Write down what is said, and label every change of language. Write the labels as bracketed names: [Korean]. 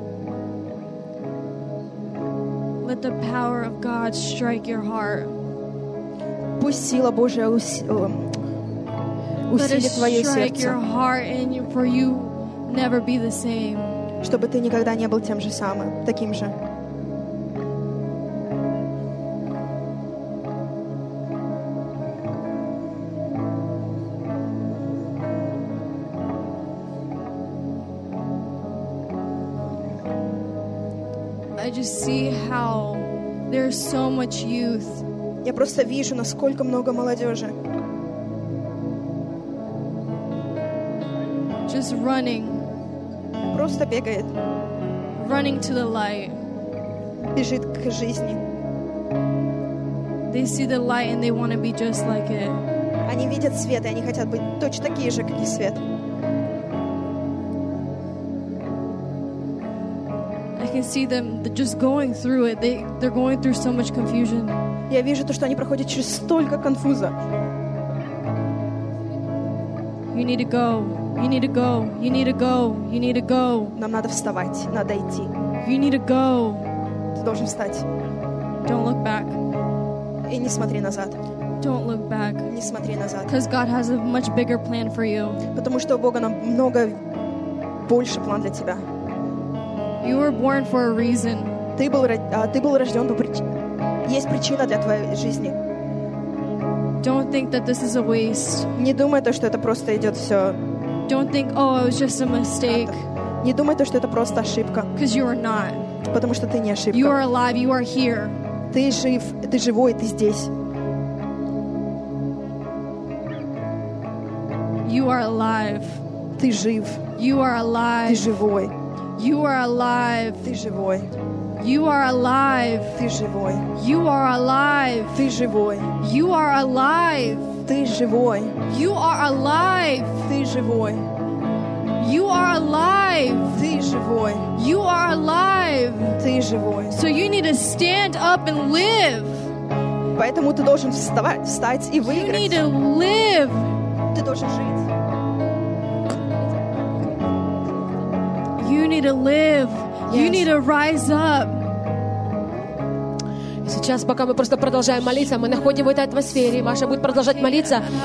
[English] Let the power of God strike your heart. [Russian] Пусть сила Божия усилит твое сердце. [English] Let it strike your heart and you, for you never be the same. [Russian] Чтобы ты никогда не был тем же самым, таким же. [English] I just see how there's so much youth. [Russian] Я просто вижу, насколько много молодежи. [English] Just running. [Russian] Просто бегает. [English] Running to the light. [Russian] Бежит к жизни. [English] They see the light and they want to be just like it. [Russian] Они видят свет, и они хотят быть точно такие же, как и свет. [English] I can see them just going through it. They're going through so much confusion. [Russian] Я вижу то, что они проходят через столько конфуза. [English] You need to go. You need to go. You need to go. You need to go. [Russian] Нам надо вставать, надо идти. [English] You need to go. [Russian] Ты должен встать. [English] Don't look back. [Russian] И не смотри назад. [English] Don't look back. [Russian] Не смотри назад. [English] Because God has a much bigger plan for you. [Russian] Потому что у Бога намного больше план для тебя. [English] You were born for a reason. [Russian] Ты был рожден по причине. Есть причина для твоей жизни. [English] Don't think that this is a waste. [Russian] Не думай то, что это просто идет все. [English] Don't think, oh, it was just a mistake. [Russian] Не думай то, что это просто ошибка. [English] Because you are not. [Russian] Потому что ты не ошибка. [English] You are alive. You are here. [Russian] Ты жив. Ты живой. Ты здесь. [English] You are alive. [Russian] Ты жив. [English] You are alive. [Russian] Ты живой. [English] You are alive. [Russian] Ты живой. [English] You are alive. [Russian] Ты живой. [English] You are alive. [Russian] Ты живой. [English] You are alive. [Russian] Ты живой. [English] You are alive. [Russian] Ты живой. [English] You are alive. [Russian] Ты живой. [English] You are alive. [Russian] Ты живой. [English] So you need to stand up and live. [Russian] Поэтому ты должен встать и выиграть. [English] You need to live. [Russian] Ты должен жить. [English] You need to live. Yes. You need to rise up. [Russian] Сейчас, пока мы просто продолжаем молиться, мы находим в этой атмосфере, Маша будет продолжать молиться.